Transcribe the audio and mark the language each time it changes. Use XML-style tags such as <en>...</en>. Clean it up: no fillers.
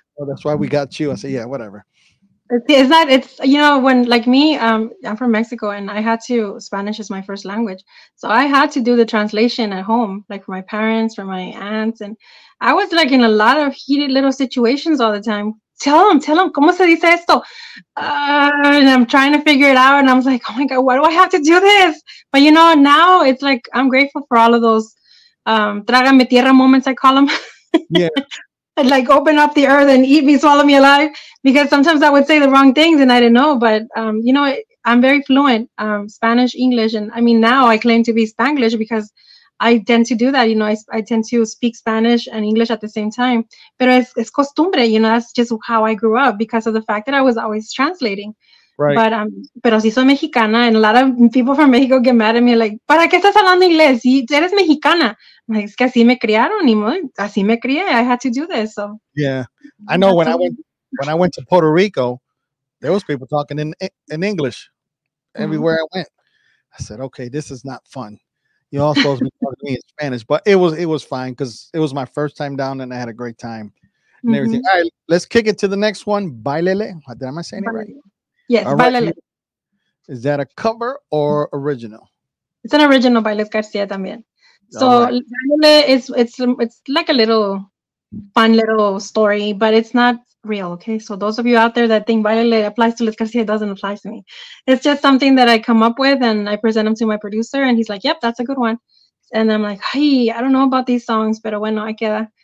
<en>that's why we got you. I said, yeah, whatever. I'm from Mexico and I had to, Spanish is my first language. So I had to do the translation at home, like for my parents, for my aunts. And I was like in a lot of heated little situations all the time. Tell them,</en> <es>¿cómo se dice esto?</es> <en>And I'm trying to figure it out. And I was like, oh my God, why do I have to do this? But you know, now it's like, I'm grateful for all of those</en> <es>trágame tierra</es> <en>moments, I call them. Yeah. Like open up the earth and eat me, swallow me alive, because sometimes I would say the wrong things and I didn't know. But I'm very fluent Spanish, English, and I mean now I claim to be Spanglish because I tend to do that. You know, I tend to speak Spanish and English at the same time.</en> <es>Pero es costumbre,</es> <en>you know, that's just how I grew up because of the fact that I was always translating. Right. But</en> <es>pero si soy mexicana,</es> <en>and a lot of people from Mexico get mad at me like,</en> <es>¿para qué estás hablando inglés? ¿Eres mexicana? Like, es que así me criaron, y así me crié.</es> <en>I had to do this. So yeah, I know when I went to Puerto Rico, there was people talking in English everywhere I went. I said, okay, this is not fun. You all supposed to be talking to me in Spanish, but it was fine because it was my first time down and I had a great time and everything. All right, let's kick it to the next one. Bailele. Am I saying it right? Yes, Bailele. Right. Is that a cover or original? It's an original by Liz Garcia también. So Bailele is like a little fun little story, but it's not real, okay? So those of you out there that think Bailele applies to Liz Garcia, it doesn't apply to me. It's just something that I come up with and I present them to my producer and he's like, yep, that's a good one. And I'm like, hey, I don't know about these songs,</en> <es>pero bueno,</es> <en>I queda.</en>